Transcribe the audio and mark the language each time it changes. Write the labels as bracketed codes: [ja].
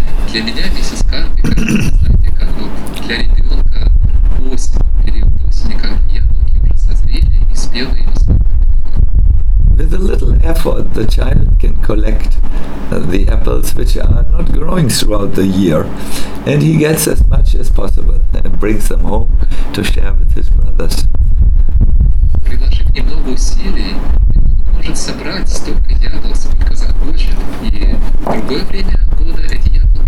[ru] Для меня месяц Картика, знаете, как вот для ребенка осень, период осени, как яблоки уже созрели и спелые и сладкие. [en] With a little effort, the child can collect the apples, which are not growing throughout the year, and he gets as much as possible and brings them home to share with his brothers. [ru] Приложив немного усилий, ребенок может собрать столько ягод, сколько захочет, и в другое время года эти ягоды.